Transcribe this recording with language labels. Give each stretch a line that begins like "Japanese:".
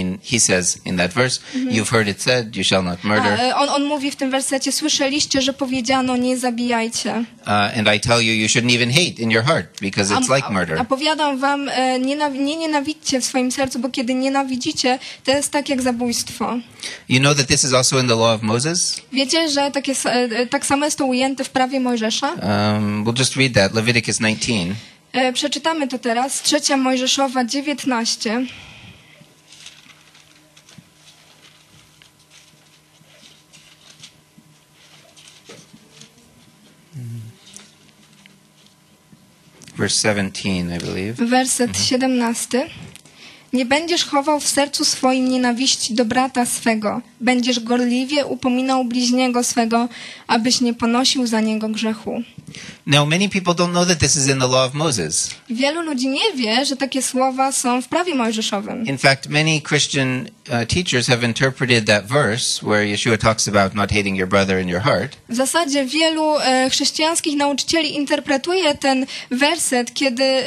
English: He says in that verse, mm-hmm. You've heard it said, you shall not murder.
Polish: On mówi w tym wersecie, słyszeliście, że powiedziano nie zabijajcie.
English: And I tell you shouldn't even hate in your heart because it's like murder.
Polish: A powiadam wam, nie nienawidźcie w swoim sercu, bo kiedy nienawidzicie, to jest tak jak zabójstwo.
English: You know that this is also in the law of Moses?
Polish: Wiecie, że tak samo jest to ujęte w prawie Mojżesza?
English: We'll just read that. Leviticus 19.
Polish: Przeczytamy to teraz. Trzecia Mojżeszowa 19.
English: Verse 17, I believe.
Polish: Werset 17. Nie będziesz chował w sercu swoim nienawiści do brata swego. Będziesz gorliwie upominał bliźniego swego, abyś nie ponosił za niego grzechu.
English: Now many people don't know that this is in the law of Moses.
Polish: Wielu ludzi nie wie, że takie słowa są w prawie Mojżeszowym.
English: In fact, many Christian teachers have interpreted that verse where Yeshua talks about not hating your brother in your heart.
Polish: W zasadzie wielu chrześcijańskich nauczycieli interpretuje ten werset, kiedy